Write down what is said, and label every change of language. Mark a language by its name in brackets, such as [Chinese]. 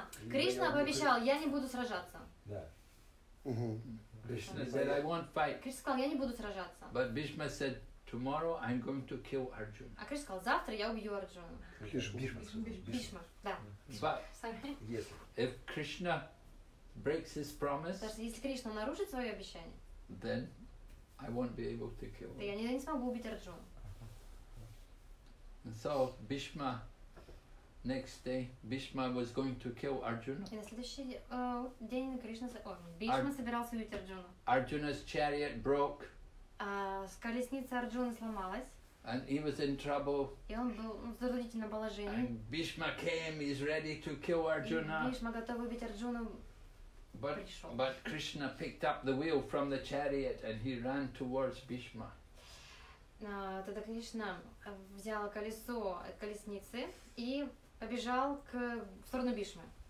[Russian] Кришна пообещал, я не буду сражаться. [English] Krishna said I won't fight. [Russian] Кришна сказал, я не буду сражаться. [English] But Bhishma said, tomorrow I'm going to kill Arjuna. [Russian] А Кришна сказал, завтра я убью Арджуну. Бхишма. [English] But if Krishna breaks his promise, [Russian] если Кришна нарушит свое обещание, [English] then I won't be able to kill him. [Russian] Я не смогу убить Арджуну. [English] And so Bhishma, next day, Bhishma was going to kill Arjuna. [Russian] И на следующий день Кришна, Бхишма собирался убить Арджуну. [English] Arjuna's chariot broke. [Russian] Колесница Арджуны сломалась. [English] And he was in trouble. [Russian] И он был в затруднительном положении. [English] And Bhishma came, he's ready to kill Arjuna. [Russian] И Бхишма готов убить Арджуну. [English] But Krishna picked up the wheel from the chariot and he ran towards Bhishma. [Russian] Тогда Кришна взял колесо от колесницы и побежал к в сторону Бхишмы.